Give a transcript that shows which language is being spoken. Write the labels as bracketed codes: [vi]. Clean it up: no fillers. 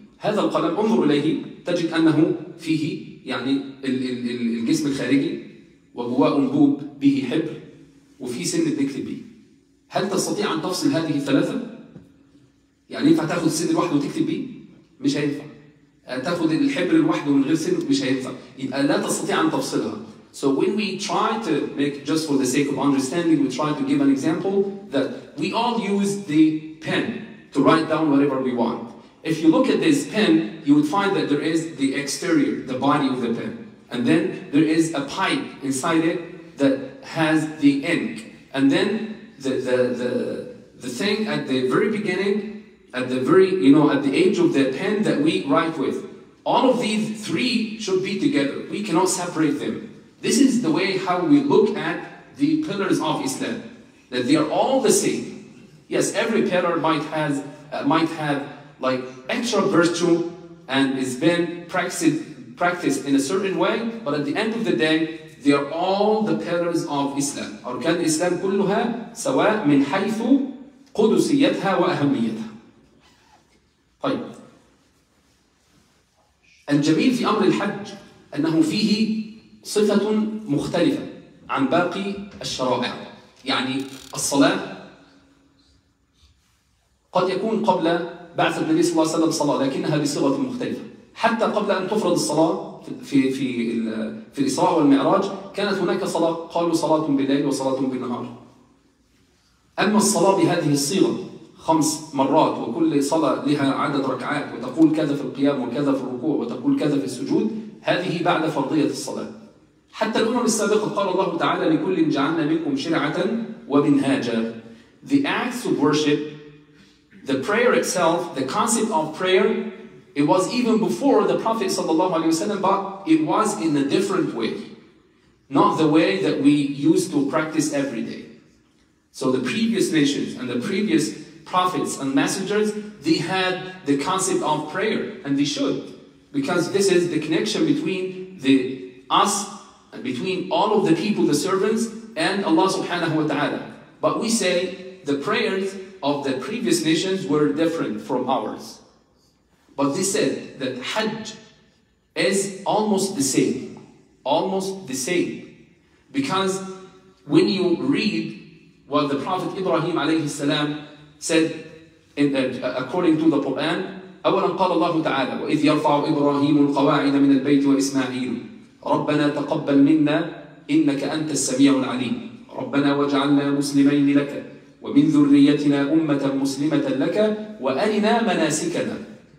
[ar] هذا القلم انظر إليه تجد أنه فيه يعني الجسم الخارجي وجواه أنبوب به حبر وفي سن بنكتب به. هل تستطيع أن تفصل هذه الثلاثة؟ يعني ينفع تأخذ السن الواحد وتكتب به؟ مش هينفع. تأخذ الحبر الواحد من غير سن مش هينفع. يبقى لا تستطيع أن تفصلها. [en] So when we try to make, just for the sake of understanding, we try to give an example that we all use the pen to write down whatever we want. If you look at this pen, you would find that there is the exterior, the body of the pen. And then there is a pipe inside it that has the ink. And then the thing at the very beginning, at the very, you know, at the edge of the pen that we write with. All of these three should be together. We cannot separate them. This is the way how we look at the pillars of Islam. That they are all the same. Yes, every pillar might have like extra virtue and has been practiced in a certain way, but at the end of the day, they are all the pillars of Islam. [ar] أركان الإسلام كلها سواء من حيث قدسيتها وأهميتها. طيب. الجميل في أمر الحج أنه فيه صفة مختلفة عن باقي الشرائع. يعني الصلاة قد يكون قبل بعث النبي صلى الله عليه وسلم صلاة، لكنها بصيغة مختلفة. حتى قبل أن تفرض الصلاة في الإسراء والمعراج كانت هناك صلاة، قالوا صلاة بالليل وصلاة بالنهار. أما الصلاة بهذه الصيغة خمس مرات وكل صلاة لها عدد ركعات وتقول كذا في القيام وكذا في الركوع وتقول كذا في السجود، هذه بعد فرضية الصلاة. حتى الأمم السابقة قال الله تعالى لكل جعلنا منكم شرعة ومنهاجا. [en] The acts of worship, the prayer itself, the concept of prayer, it was even before the Prophet sallallahu alaihi wasallam, but it was in a different way, not the way that we used to practice every day. So the previous nations and the previous prophets and messengers, they had the concept of prayer, and they should, because this is the connection between us and between all of the people, the servants, and Allah subhanahu wa ta'ala. But we say the prayers of the previous nations were different from ours. But they said that Hajj is almost the same. Almost the same. Because when you read what the Prophet Ibrahim alayhi salam said according to the Quran, [ar] أولاً قال الله تعالى وَإِذْ يَرْفَعُ إِبْرَاهِيمُ الْقَوَاعِدَ مِنَ الْبَيْتِ وَإِسْمَاعِيلُ رَبَّنَا تَقَبَّلْ مِنَّا إِنَّكَ أَنْتَ السَّمِيعُ الْعَلِيمُ رَبَّنَا وَجَعَلْنَا مُسْلِمَيْنِ لَكَ وَمِنْ ذُرِّيَّتِنَا أُمَّةً مُسْلِمَةً لَكَ وَأَرِنَا مَنَاسِكَنَا.